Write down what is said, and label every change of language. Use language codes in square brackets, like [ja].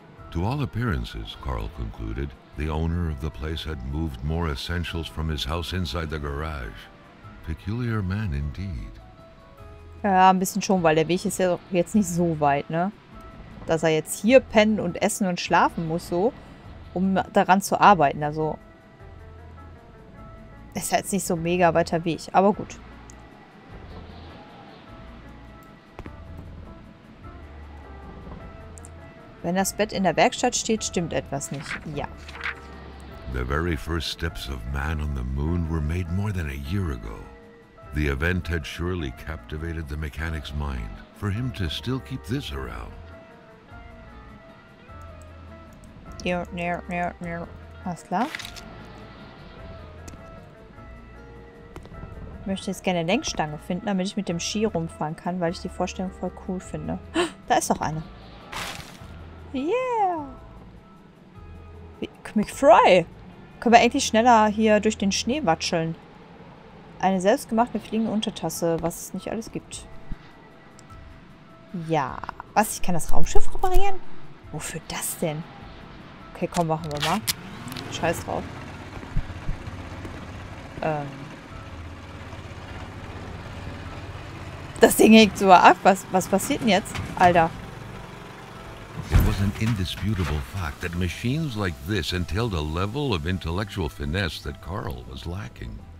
[en] To all appearances, Carl concluded, the owner of the place had moved more essentials from his house inside the garage. Peculiar man indeed. [de] Ja, ein bisschen schon, weil der Weg ist ja jetzt nicht so weit, ne? Dass er jetzt hier pennen und essen und schlafen muss, so, um daran zu arbeiten. Also, ist ja jetzt nicht so mega weiter Weg, aber gut. Wenn das Bett in der Werkstatt steht, stimmt etwas nicht. Ja. [en] The very first steps of man on the moon were made more than a year ago. The event had surely captivated the mechanic's mind. For him to still keep this around. [de] Ja, ja, ja, ja. Alles klar. Ich möchte jetzt gerne eine Lenkstange finden, damit ich mit dem Ski rumfahren kann, weil ich die Vorstellung voll cool finde. Da ist doch eine. Yeah! McFry! Können wir eigentlich schneller hier durch den Schnee watscheln? Eine selbstgemachte fliegende Untertasse, was es nicht alles gibt. Ja. Was? Ich kann das Raumschiff reparieren? Wofür das denn? Okay, komm, machen wir mal. Scheiß drauf. Das Ding hängt sogar ab. Was passiert denn jetzt? Alter. [en] An indisputable fact that machines like this entailed a level of intellectual finesse that Carl was lacking.